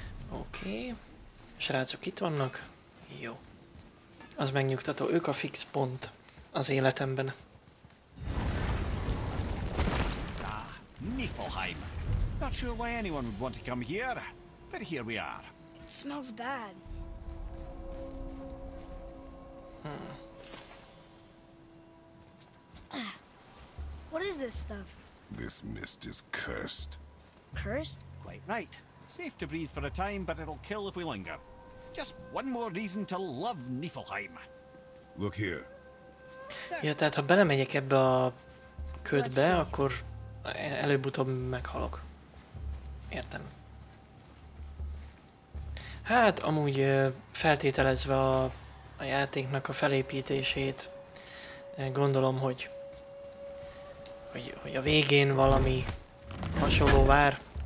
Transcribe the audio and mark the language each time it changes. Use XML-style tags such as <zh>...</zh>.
<hu>Okay. Srácok itt vannak? Jó. Az megnyugtató, ők a fix pont az életemben.</hu> <en>Ah, Niflheim. Not sure why anyone would want to come here, but here we are. It smells bad. What is this stuff? This mist is cursed. Cursed? Quite right. Safe to breathe for a time, but it'll kill if we linger. Just one more reason to love Niflheim. Look here.</en> <hu>Ja, tehát ha belemegyek ebbe a ködbe, akkor előbb-utóbb meghalok. Értem. Hát, amúgy feltételezve a játéknak a felépítését, gondolom, hogy a végén valami hasonló vár.</hu>